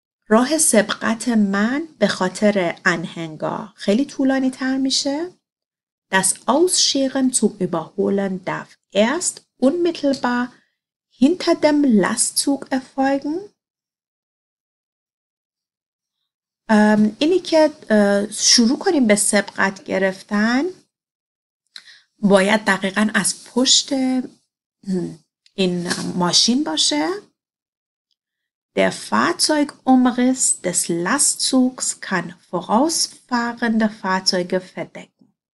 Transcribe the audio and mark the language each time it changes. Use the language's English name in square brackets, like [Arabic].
[Persian] راه سبقت من به خاطر انهنگار خیلی طولانی تر میشه. [German] Das Ausscheren zum Überholen darf erst unmittelbar hinter dem Lastzug erfolgen. [Persian] اینی که شروع کنیم به سبقت گرفتن باید دقیقا از پشت این ماشین باشه. [German] Der Fahrzeugumriss des Lastzugs kann vorausfahrende Fahrzeuge verdecken.